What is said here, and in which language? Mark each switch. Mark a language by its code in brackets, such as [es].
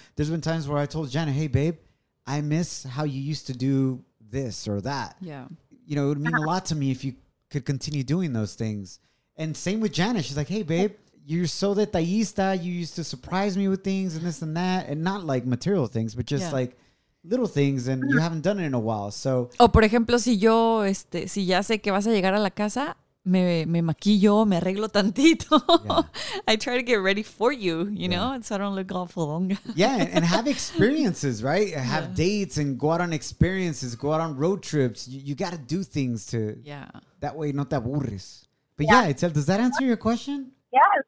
[en] There's been times where I told Jenna, hey, babe, I miss how you used to do this or that. Yeah. You know, it would mean a lot to me if you could continue doing those things. And same with Jenna. She's like, hey, babe, you're so detallista. You used to surprise me with things and this and that. And not like material things, but just like little things, and you haven't done it in a while. So, [es] por ejemplo, si yo, si ya sé que vas a llegar a la casa, me maquillo, me arreglo tantito. [en] I try to get ready for you, you know, and so I don't look awful long. and have experiences, right? Have dates and go out on experiences, go out on road trips. You got to do things to, that way no te aburres. But Itzel, does that answer your question? Yeah.